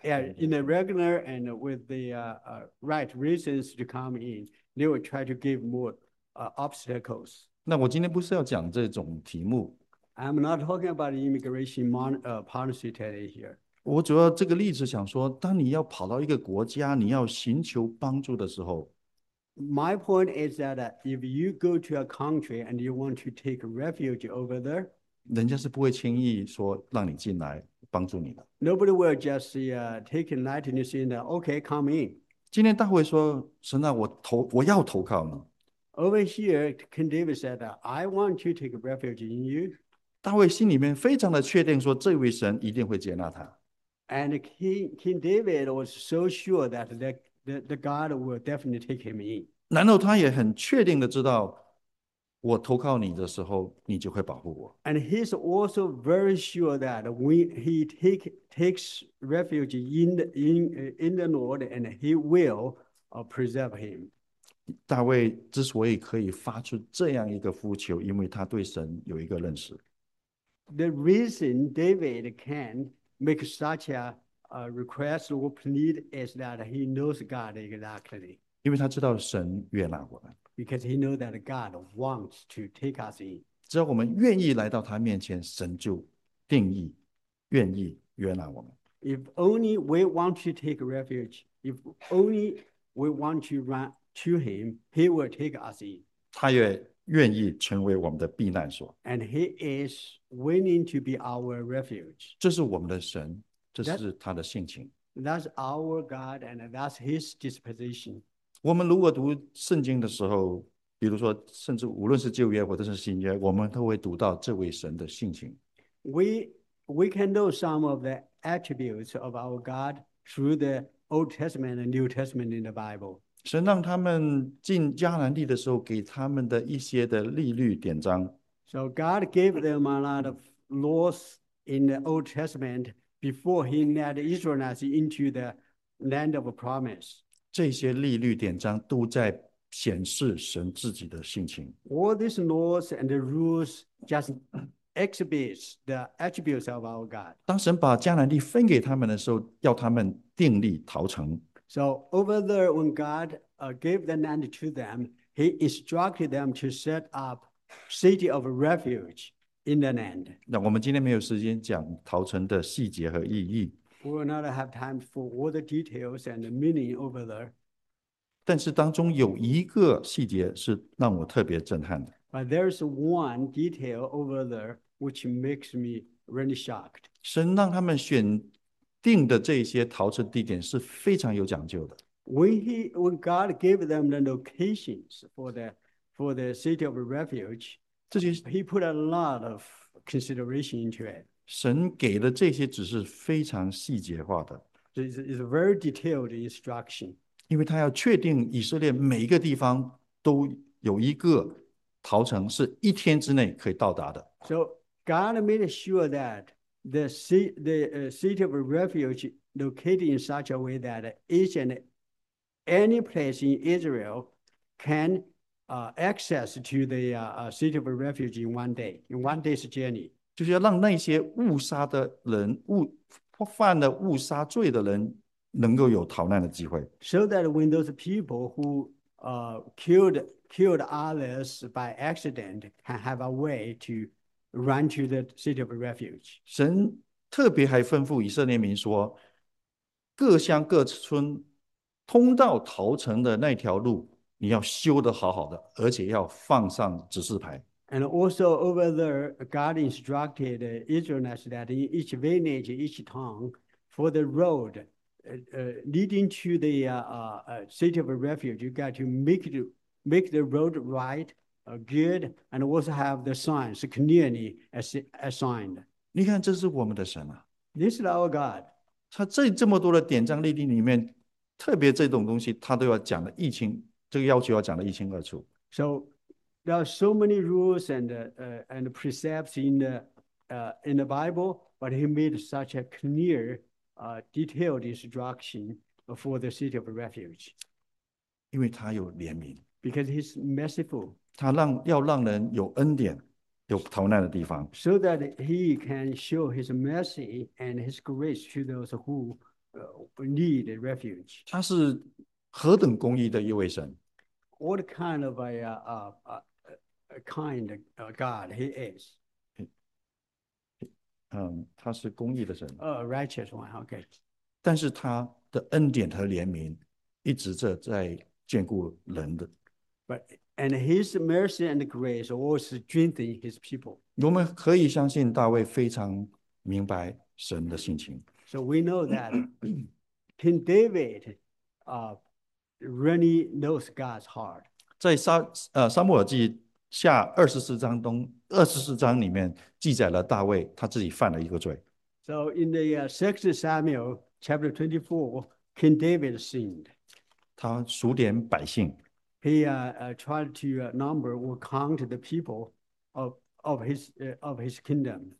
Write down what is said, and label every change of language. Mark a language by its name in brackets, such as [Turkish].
[English] Yeah, in the regular and with the right reasons to come in, they will try to give more obstacles. [Chinese] 那我今天不是要讲这种题目。 [English] I'm not talking about immigration policy today here. [Chinese] 我主要这个例子想说，当你要跑到一个国家，你要寻求帮助的时候。 [English] My point is that if you go to a country and you want to take refuge over there, [Chinese] 人家是不会轻易说让你进来帮助你的。 [English] Nobody will just take lightly saying that, okay, come in. [Chinese] 今天大卫说，神啊，我要投靠你。 [English] Over here, King David said, I want to take refuge in you. [Chinese] 大卫心里面非常的确定说，这位神一定会接纳他。 [English] And King David was so sure that the God will definitely take him in. [Chinese] 难道他也很确定的知道，我投靠你的时候，你就会保护我。 [English] And he's also very sure that when he takes refuge in the Lord, and he will preserve him. [Chinese] 大卫之所以可以发出这样一个呼求，因为他对神有一个认识。 [English] The reason David can make such a request or plead is that he knows God exactly. [Chinese] 因为他知道神悦纳我们， [English] Because he knows that God wants to take us in. [Chinese] 只要我们愿意来到他面前，神就定义愿意悦纳我们。 [English] If only we want to take refuge, if only we want to run to him, he will take us in. [Chinese] 他也愿意成为我们的避难所。 [English] And he is willing to be our refuge. [Chinese] 这是我们的神，这是他的性情。 [English] That's our God and that's his disposition. [Chinese] 我们如果读圣经的时候，比如说，甚至无论是旧约或者是新约，我们都会读到这位神的性情。 [English] We can know some of the attributes of our God through the Old Testament and New Testament in the Bible. [Chinese] 神让他们进迦南地的时候，给他们的一些的律例典章。 [English] So God gave them a lot of laws in the Old Testament before he led Israelites into the land of promise. [Chinese] 这些律例典章都在显示神自己的性情。 [English] All these laws and the rules just exhibits the attributes of our God. [Chinese] 当神把迦南地分给他们的时候，要他们订立逃城。 [English] So over there, when God gave the land to them, he instructed them to set up city of refuge in the land. [Chinese] 那我们今天没有时间讲逃城的细节和意义。 [English] We will not have time for all the details and the meaning over there. [Chinese] 但是当中有一个细节是让我特别震撼的， [English] But there's one detail over there which makes me really shocked. [Chinese] 神让他们选定的这些逃生地点是非常有讲究的。 [English] When God gave them the locations for the city of refuge, [Chinese] 这些 [English] he put a lot of consideration into it. [Chinese] 神给的这些只是非常细节化的。 [English] It's a very detailed instruction. [Chinese] 因为他要确定以色列每一个地方都有一个逃城是一天之内可以到达的。 [English] So God made sure that the city of refuge located in such a way that each and any place in Israel can access to the city of refuge in one day's journey. [Chinese] 就是要让那些误杀的人、误杀罪的人能够有逃难的机会。 [English] So that when those people who killed others by accident can have a way to run to the city of refuge. [Chinese] 神特别还吩咐以色列民说，各乡各村通到逃城的那条路，你要修得好好的，而且要放上指示牌。 [English] And also over there, God instructed Israelites that in each village, each town, for the road leading to the city of refuge, you got to make the road right, good, and also have the signs clearly assigned. [Chinese] 你看，这是我们的神啊！ [English] This is our God. [Chinese] 他这么多的典章律例里面，特别这种东西，他都要讲的一清，这个要求要讲的一清二楚。 [English] So there are so many rules and precepts in the Bible, but he made such a clear, detailed instruction for the city of refuge. [Chinese] 因为他有怜悯， [English] Because he's merciful. [Chinese] 要让人有恩典，有逃难的地方。 [English] So that he can show his mercy and his grace to those who need refuge. [Chinese] 他是何等公义的一位神！ [English] What kind of a kind God he is? [Chinese] 他是公义的神， [English] A righteous one, okay. [Chinese] 但是他的恩典和怜悯一直在眷顾人的。 [English] And his mercy and grace always strengthen his people. [Chinese] 我们可以相信大卫非常明白神的性情。 [English] So we know that King David really knows God's heart. [Chinese] 在撒母耳记下24章里面记载了大卫他自己犯了一个罪。 [English] So in the 6th Samuel chapter 24, King David sinned. [Chinese] 他数点百姓。 [English] He tried to number or count the people of his kingdom.